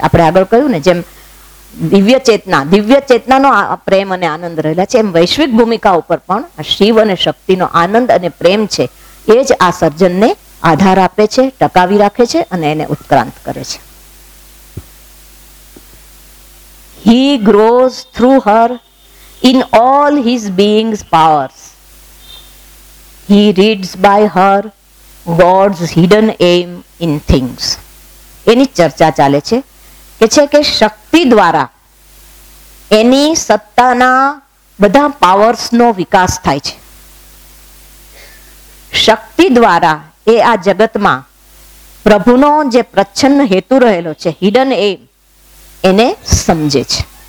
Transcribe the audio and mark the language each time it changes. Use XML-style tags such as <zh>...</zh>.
<gu>આપણે આગળ કહ્યું ને, જેમ દિવ્ય ચેતનાનો પ્રેમ અને આનંદ રહેલા છે, એમ વૈશ્વિક ભૂમિકા ઉપર પણ શિવ અને શક્તિનો આનંદ અને પ્રેમ છે, એ જ આ સર્જનને આધાર આપે છે, ટકાવી રાખે છે અને એને ઉત્ક્રાંત કરે છે.</gu> <en>He grows through her in all his being's powers. He reads by her God's hidden aim in things.</en> <gu>એની ચર્ચા ચાલે છે કે છે કે શક્તિ દ્વારા એની સત્તાના બધા પાવર્સનો વિકાસ થાય છે. શક્તિ દ્વારા એ આ જગતમાં પ્રભુનો જે પ્રચ્છન્ન હેતુ રહેલો છે,</gu> <en>hidden aim,</en> <gu>એને સમજે છે.</gu>